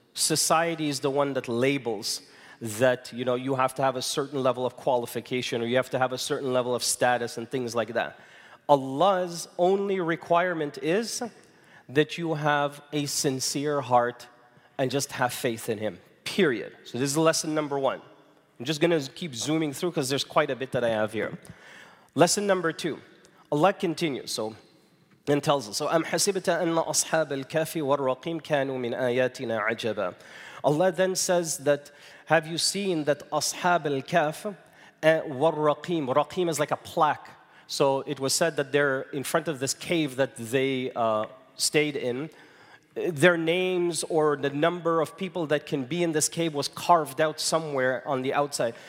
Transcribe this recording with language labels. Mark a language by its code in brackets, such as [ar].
[en] Society is the one that labels that, you know, you have to have a certain level of qualification or you have to have a certain level of status and things like that. Allah's only requirement is that you have a sincere heart and just have faith in Him, period. So this is lesson number one. I'm just going to keep zooming through because there's quite a bit that I have here. Lesson number two. Allah continues. So, and tells us, so [ar] أَمْ حَسِبْتَ أَنَّ أَصْحَابَ الْكَهْفِ وَالرَّقِيمِ كَانُوا مِنْ آيَاتِنَا عَجَبًا. [en] Allah then says that, have you seen that [ar] أَصْحَابَ الْكَهْفِ وَالرَّقِيمِ. [en] Raqim is like a plaque. So it was said that they're in front of this cave that they stayed in. Their names or the number of people that can be in this cave was carved out somewhere on the outside.